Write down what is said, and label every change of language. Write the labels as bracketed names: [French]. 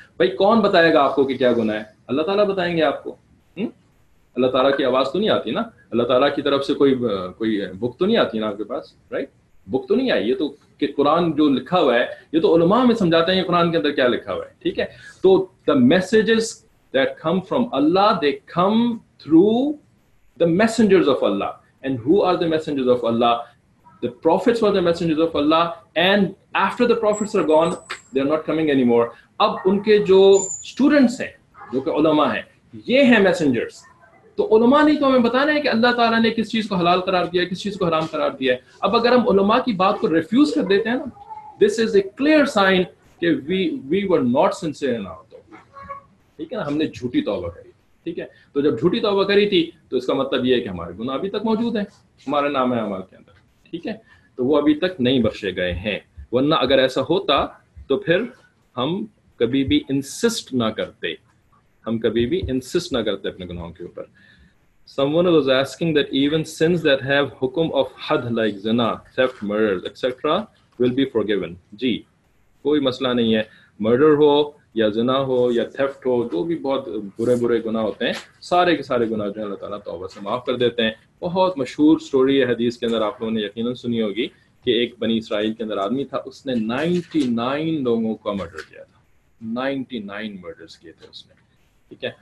[Urdu] بھائی کون بتائے گا آپ کو کہ کیا گناہ ہے؟ اللہ تعالیٰ بتائیں گے آپ کو. اللہ تعالیٰ کی آواز تو نہیں آتی نا، اللہ تعالیٰ کی طرف سے کوئی بک تو نہیں آتی نا آپ کے پاس، رائٹ؟ بک تو نہیں آئی. یہ تو کہ قرآن جو لکھا ہوا ہے، یہ تو علماء ہمیں سمجھاتے ہیں قرآن کے اندر کیا لکھا ہوا ہے، ٹھیک ہے. [English] تو the messages that come from Allah, they come through the messengers of Allah. And who are the messengers of Allah? The prophets were the messengers of Allah, and after the prophets are gone, they are not coming anymore. [Urdu] اب ان کے جو students ہیں، جو کہ علماء ہیں، یہ ہیں میسنجرس. تو علماء نے تو ہمیں بتانا ہے کہ اللہ تعالیٰ نے کس چیز کو حلال قرار دیا ہے، کس چیز کو حرام قرار دیا ہے. اب اگر ہم علماء کی بات کو ریفیوز کر دیتے ہیں نا، [English] this is a clear sign [Urdu] کہ [English] we were not sincere in our [Urdu] توبہ، ٹھیک ہے نا. ہم نے جھوٹی توبہ کری، ٹھیک ہے. تو جب جھوٹی توبہ کری تھی، تو اس کا مطلب یہ ہے کہ ہمارے گناہ ابھی تک موجود ہیں، ہمارے نام ہے عمل کے اندر، ٹھیک ہے. تو وہ ابھی تک نہیں بخشے گئے ہیں، ورنہ اگر ایسا ہوتا تو پھر ہم کبھی بھی انسسٹ نہ کرتے، ہم کبھی بھی انسسٹ نہ کرتے اپنے گناہوں کے اوپر. [English] Someone was asking that even sins that have hukum of had like zina, theft, murder, etc. will be forgiven. [Urdu] جی کوئی مسئلہ نہیں ہے، مرڈر ہو یا زنا ہو یا تھیفٹ ہو، جو بھی بہت برے برے گناہ ہوتے ہیں، سارے کے سارے گناہ جو ہیں اللہ تعالیٰ توبہ سے معاف کر دیتے ہیں. بہت مشہور سٹوری ہے حدیث کے اندر، آپ لوگوں نے یقیناً سنی ہوگی، کہ ایک بنی اسرائیل کے اندر آدمی تھا، اس نے 99 لوگوں کا مرڈر کیا تھا، 99 مرڈرز کیے تھے اس نے، ٹھیک ہے.